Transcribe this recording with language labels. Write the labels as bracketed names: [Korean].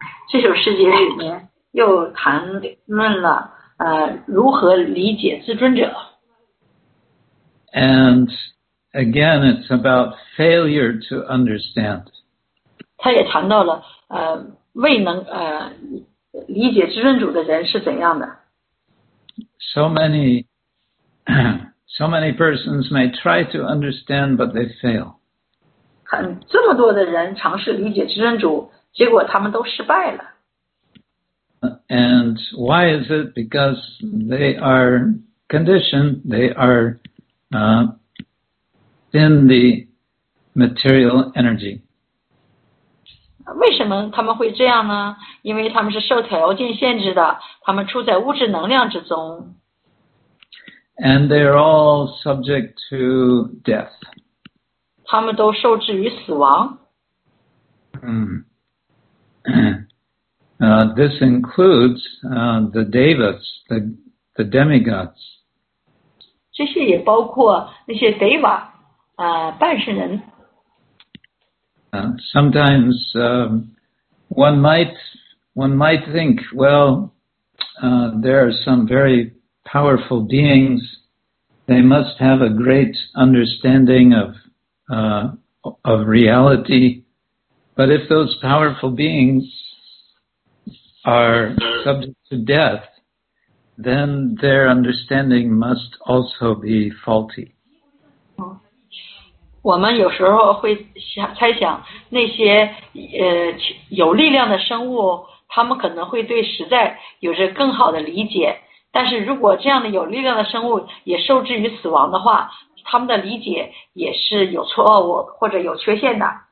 [Chinese] 这首诗节里面又谈论了如何理解至尊者。 [English] And again, it's about failure to understand. [Chinese] 他也谈到了未能理解滋润主的人是怎样的。 [English] So many persons may try to understand, but they fail. [Chinese] 这么多的人尝试理解滋润主，结果他们都失败了。 [English] And why is it? Because they are conditioned, they are in the material energy. [Chinese] 为什么他们会这样呢？因为他们是受条件限制的，他们处在物质能量之中。 [English] And they are all subject to death. [Chinese] 他们都受制于死亡。 [English] This includes the devas, the demigods. [Chinese] 这些也包括那些 deva, 半神人。 [English] Sometimes one might think, well, there are some very powerful beings. They must have a great understanding of reality. But if those powerful beings are subject to death, then their understanding must also be faulty. [Chinese] 我们有时候会猜想那些有力量的生物，他们可能会对实在有着更好的理解。但是如果这样的有力量的生物也受制于死亡的话，他们的理解也是有错误或者有缺陷的。